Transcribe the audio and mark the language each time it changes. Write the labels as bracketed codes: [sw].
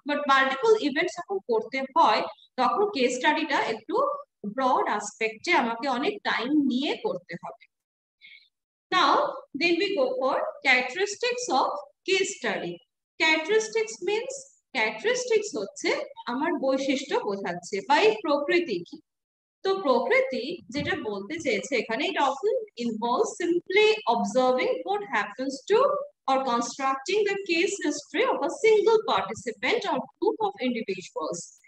[bn] But multiple events যখন করতে হয় তখন কেস স্টাডিটা একটু ব্রড আসপেক্টে আমাকে অনেক টাইম নিয়ে করতে হবে। [en] Now, then we go for characteristics of case study. Characteristics means, [bn] characteristics হচ্ছে আমার বৈশিষ্ট্য বোঝাচ্ছে বা এই প্রকৃতি কি। তো প্রকৃতি যেটা বলতে চেয়েছে এখানে, [en] It often involves simply observing what happens to or constructing the case history of a single participant or group of individuals.